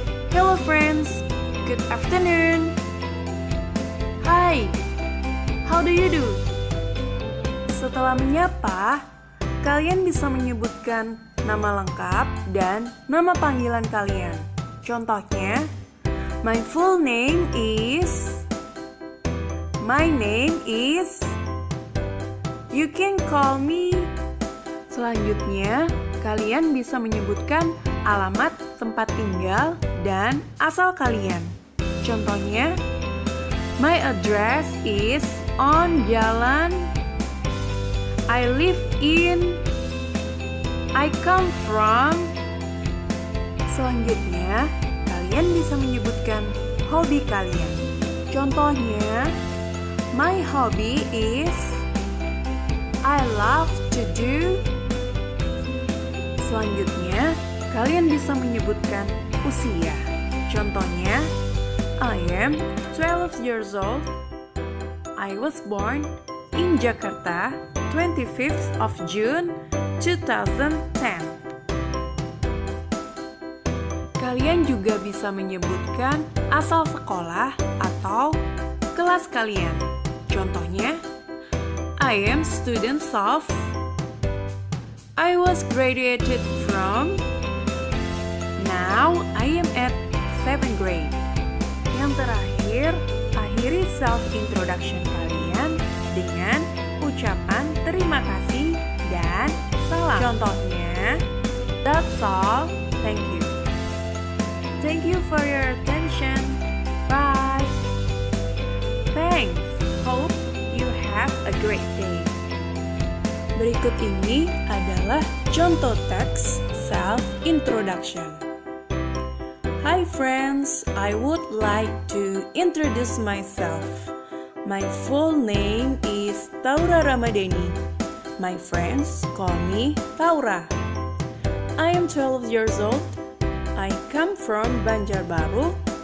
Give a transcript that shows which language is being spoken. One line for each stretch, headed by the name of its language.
English: Hello friends, good afternoon. Hi, how do you do?
Indonesian: Setelah menyapa, kalian bisa menyebutkan nama lengkap dan nama panggilan kalian.
English: Contohnya, My full name is... My name is... You can call me...
Indonesian: Selanjutnya, kalian bisa menyebutkan alamat tempat tinggal dan asal kalian.
English: Contohnya, My address is on Jalan... I live in... I come from...
Indonesian: Selanjutnya, kalian bisa menyebutkan hobi kalian.
English: Contohnya, My hobby is...
Indonesian: I love to do... Selanjutnya, kalian bisa menyebutkan usia.
English: Contohnya, I am 12 years old. I was born in Jakarta, 25th of June, 2010.
Indonesian: Kalian juga bisa menyebutkan asal sekolah atau kelas kalian.
English: Contohnya, I am student of... I was graduated from... Now I am at 7th grade.
Indonesian: Yang terakhir, akhiri self-introduction kalian dengan ucapan terima kasih dan salam.
English: Contohnya, That's all. Thank you. Thank you for your attention. Bye. Thanks. Hope you have a great day.
Indonesian: Berikut ini adalah contoh teks self-introduction.
English: Hi friends, I would like to introduce myself. My full name is Taura Ramadeni. My friends call me Taura. I am 12 years old. I come from Banjarbaru.